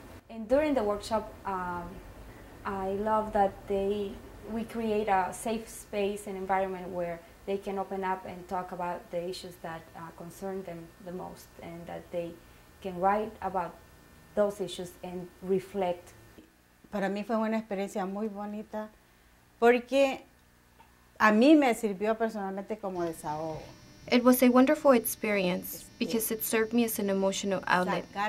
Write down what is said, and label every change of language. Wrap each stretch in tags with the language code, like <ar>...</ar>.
<en>And during the workshop, I love that we create a safe space and environment where they can open up and talk about the issues that concern them the most, and that they can write about those issues and reflect.</en> <es>Para mí fue una experiencia muy bonita porque a mí me sirvió personalmente como desahogo.</es> <en>It was a wonderful experience because it served me as an emotional outlet.</en>